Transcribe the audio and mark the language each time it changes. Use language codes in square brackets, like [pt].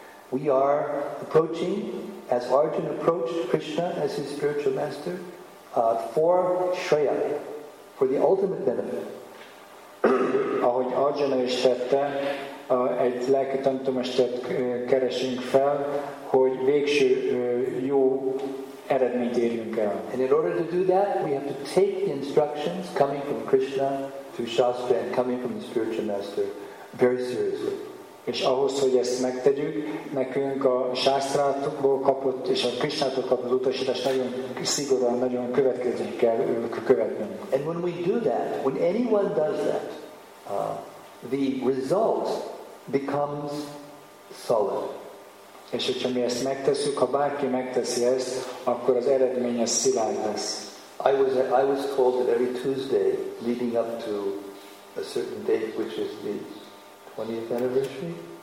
[en] We are approaching, as Arjuna approached Krishna as his spiritual master, for Shreya, for the ultimate benefit. [hu] Ahogy Arjuna is tette, egy lelki tanítomestert keresünk fel, hogy végső jó eredményt érjünk el. [en] And in order to do that, we have to take the instructions coming from Krishna through Shastra and coming from the spiritual master very seriously. [hu] És ahhoz, hogy ezt megtegyük, nekünk a sásztrátokból kapott és a Krisnától kapott utasítást nagyon szigorúan, nagyon következően kell követnünk. [en] And when we do that, when anyone does that, the result becomes solid. [hu] És hogyha mi ezt megteszünk, ha bárki megteszi ezt, akkor az eredménye szilárd lesz. [en] I was told that every Tuesday leading up to a certain date, which is the 20th anniversary?